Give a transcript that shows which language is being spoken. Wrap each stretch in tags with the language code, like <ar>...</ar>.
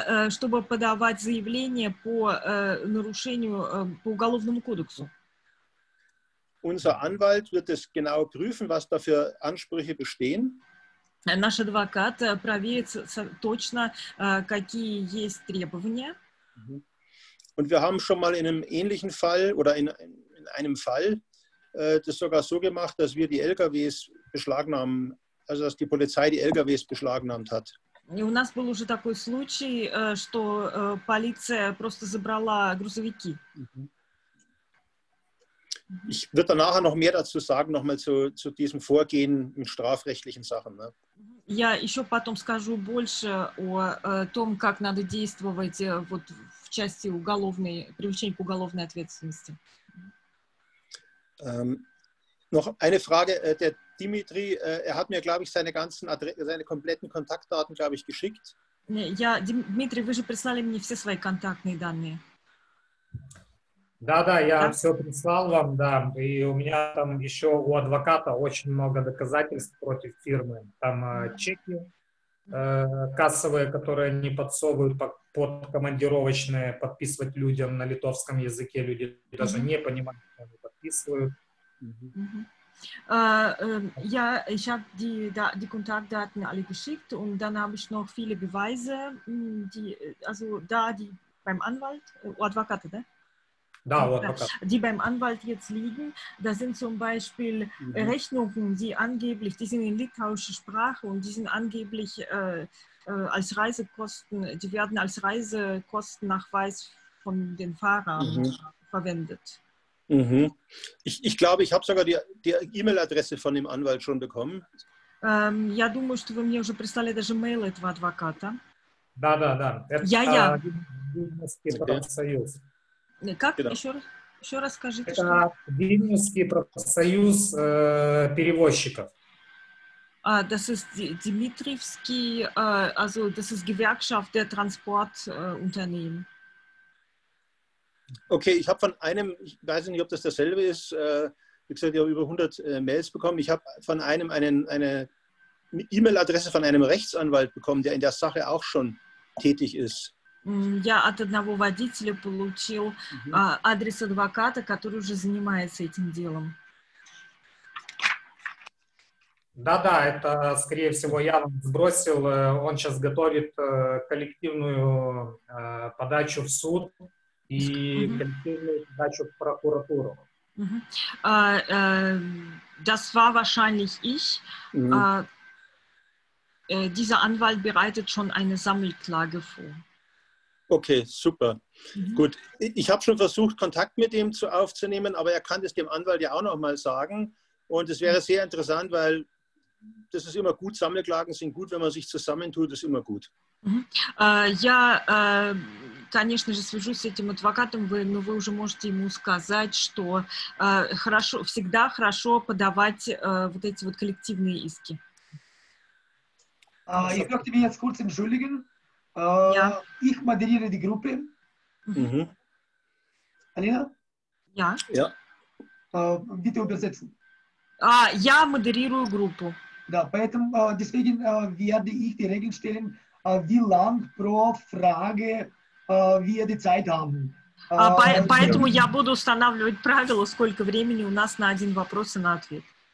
<ru>Чтобы подавать заявление по нарушению по уголовному кодексу.</ru> <de>Unser Anwalt wird es genau prüfen, was da für Ansprüche bestehen.</de> <ru>Наш адвокат проверит точно, какие есть требования.</ru> <de>Und wir haben schon mal in einem ähnlichen Fall oder in einem Fall das sogar so gemacht, dass wir die LKWs beschlagnahmen, also dass die Polizei die LKWs beschlagnahmt hat.</de> <ru>И у нас был уже такой случай, что полиция просто забрала грузовики.</ru> <de>Ich würde dann nachher noch mehr dazu sagen, nochmal zu diesem Vorgehen in strafrechtlichen Sachen. Ne? Ja, ich werde</de> <ru>потом скажу больше о том, как надо действовать вот в части уголовной привлечения к уголовной ответственности.</ru> <de>Noch eine Frage: Der Dimitri, er hat mir, glaube ich, seine kompletten Kontaktdaten, glaube ich, geschickt.</de> <ru>Ja, Dimitri, вы же прислали мне все свои контактные данные. Да-да, я все прислал вам, да, и у меня там еще у адвоката очень много доказательств против фирмы. Там чеки кассовые, которые они подсовывают под командировочные, подписывать людям на литовском языке, люди даже не понимают, что они подписывают.</ru> <de>Ja, ich habe die Kontaktdaten alle geschickt und dann habe ich noch viele Beweise, die, also da die beim Anwalt, Advokate, ne?</de> <ru>Da,</ru> <de>die beim Anwalt jetzt liegen, da sind zum Beispiel Rechnungen, die angeblich, die sind in litauischer Sprache und die sind angeblich als Reisekosten, die werden als Reisekostennachweis von den Fahrern verwendet. Ich glaube, ich habe sogar die E-Mail-Adresse von dem Anwalt schon bekommen. Ja, du musst von mir schon prestale</de> <ru>даже Mail этого адвоката. Да, да, да.</ru> <de>Ja, ja.</de> <ru>Союз. Как?</ru> <de>Genau.</de> <ru>Еще раз скажите. Это Вильнюсский профсоюз перевозчиков.</ru> <de>Das ist Dmitrievski, also das ist Gewerkschaft der Transportunternehmen. Okay, ich habe von einem, ich weiß nicht, ob das dasselbe ist, wie gesagt, ich habe über 100 Mails bekommen. Ich habe von einem eine E-Mail-Adresse von einem Rechtsanwalt bekommen, der in der Sache auch schon tätig ist.</de> <ru>Я от одного водителя получил адрес адвоката, который уже занимается этим делом. Да-да, это, скорее всего, я вам сбросил. Он сейчас готовит коллективную подачу в суд и коллективную подачу в прокуратуру.</ru> <de>Das war wahrscheinlich ich. Dieser Anwalt bereitet schon eine Sammelklage vor. Okay, super. Gut. Ich habe schon versucht, Kontakt mit ihm aufzunehmen, aber er kann es dem Anwalt ja auch noch mal sagen. Und es wäre sehr interessant, weil das ist immer gut. Sammelklagen sind gut, wenn man sich zusammentut, ist immer gut.</de> <ru>Я, конечно же, свяжусь с этим адвокатом, но вы уже можете ему сказать, что хорошо, всегда хорошо подавать вот эти вот коллективные иски.</ru> <de>Ich möchte mich jetzt kurz entschuldigen. Ja. Ich moderiere die Gruppe. Alina? Ja. Ja. Bitte übersetzen. Ja, moderiere die Gruppe. Da, deswegen werde ich die Regeln stellen, wie lang pro Frage wir die Zeit haben.</de> <ru>Поэтому я буду устанавливать правила, сколько времени у нас на один вопрос и на ответ.</ru>